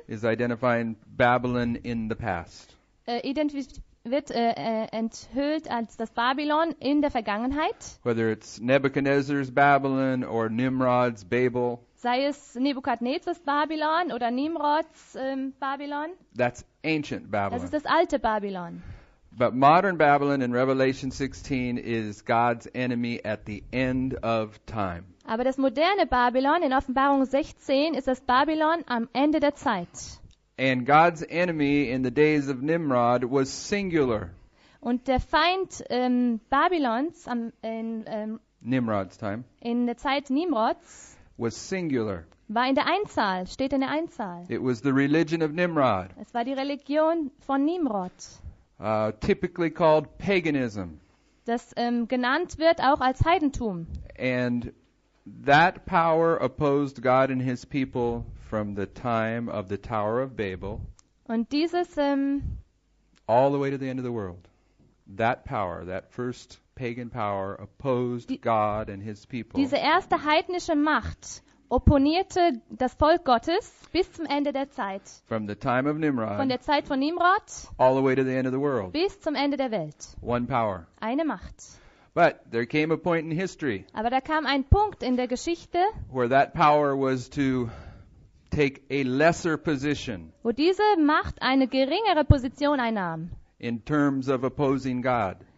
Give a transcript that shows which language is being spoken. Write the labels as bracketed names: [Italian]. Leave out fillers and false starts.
[English] is identifying Babylon in the past. [German] Enthüllt als das Babylon in der Vergangenheit. [English] Whether it's Nebuchadnezzar's Babylon or Nimrod's Babel. [German] Sei es Nebukadnezars Babylon oder Nimrods Babylon. [English] That's ancient Babylon. [German] Das ist das alte Babylon. [English] But modern Babylon in Revelation 16 is God's enemy at the end of time. [German] Aber das moderne Babylon in Offenbarung 16 ist das Babylon am Ende der Zeit. [English] And God's enemy in the days of Nimrod was singular. [German] Und der Feind Babylons [English] Nimrod's time. [German] In der Zeit Nimrods. [English] Was singular. [German] War in der Einzahl, steht in der Einzahl. [English] It was the religion of Nimrod. [German] Es war die Religion von Nimrod. [English] Typically called paganism. [German] Das genannt wird auch als Heidentum. [English] And that power opposed God and his people from the time of the Tower of Babel. [German] Und dieses [English] all the way to the end of the world. That power, that first pagan power opposed God and his people. [German] Diese erste heidnische Macht opponierte das Volk Gottes bis zum Ende der Zeit. [English] From the time of Nimrod. [German] Von der Zeit von Nimrod. [English] All the way to the end of the world. [German] Bis zum Ende der Welt. [English] One power. [German] Eine Macht. [English] But there came a point in history. [German] Aber da kam ein Punkt in der Geschichte. [English] Where that power was to take a lesser position. [German] Wo diese Macht eine geringere Position einnahm. [English] In terms of opposing God.